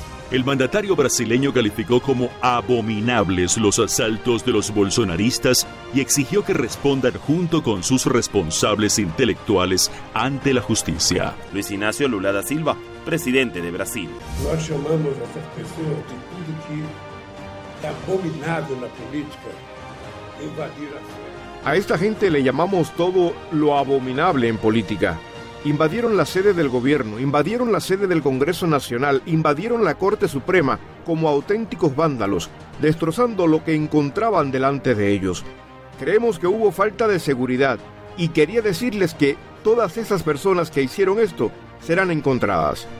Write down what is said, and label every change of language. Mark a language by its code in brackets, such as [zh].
[es] El mandatario brasileño calificó como abominables los asaltos de los bolsonaristas y exigió que respondan junto con sus responsables intelectuales ante la justicia. Luis Inácio Lula da Silva, presidente de Brasil. [pt] Nós chamamos essas pessoas de tudo que é abominável na política invadir a sede. [es] A esta gente le llamamos todo lo abominable en política. Invadieron la sede del gobierno, invadieron la sede del Congreso Nacional, invadieron la Corte Suprema como auténticos vándalos, destrozando lo que encontraban delante de ellos. Creemos que hubo falta de seguridad y quería decirles que todas esas personas que hicieron esto serán encontradas.